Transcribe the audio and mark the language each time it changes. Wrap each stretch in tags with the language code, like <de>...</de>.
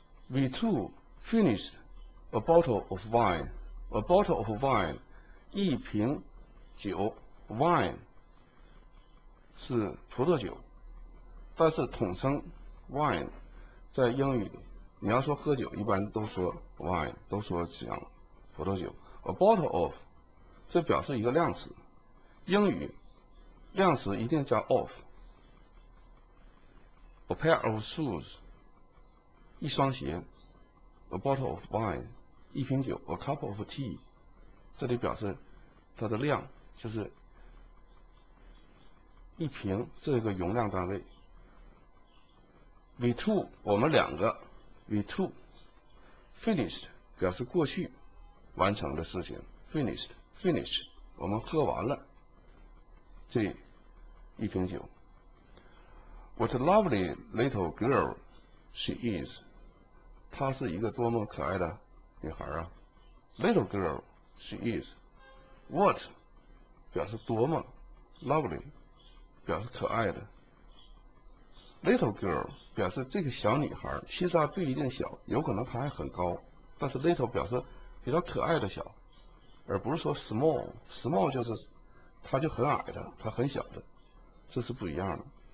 <en>We too finished a bottle of wine， a bottle of wine</en> <zh>一瓶酒， wine 是葡萄酒，但是统称 wine 在英语里你要说喝酒一般都说 wine， 都说讲葡萄酒。 a bottle of 这表示一个量词，英语量词一定加 of。</zh> <en>a pair of shoes</en> <zh>一双鞋，</zh> <en>a bottle of wine</en> <zh>一瓶酒，</zh> <en>a cup of tea</en> <zh>这里表示它的量，就是一瓶这个容量单位。</zh> <en>we two</en> <zh>我们两个，</zh> <en>We too finished</en> <zh>表示过去完成的事情， finished， finish 我们喝完了这一瓶酒。</zh> <en>What a lovely little girl she is，</en> <zh>她是一个多么可爱的女孩啊。</zh> <en>Little girl she is，</en> <zh>What 表示多么， lovely 表示可爱的，little girl 表示这个小女孩，其实不一定小，有可能她还很高，但是 little 表示比较可爱的小，而不是说 small， small 就是她就很矮的，她很小的，这是不一样的。</zh>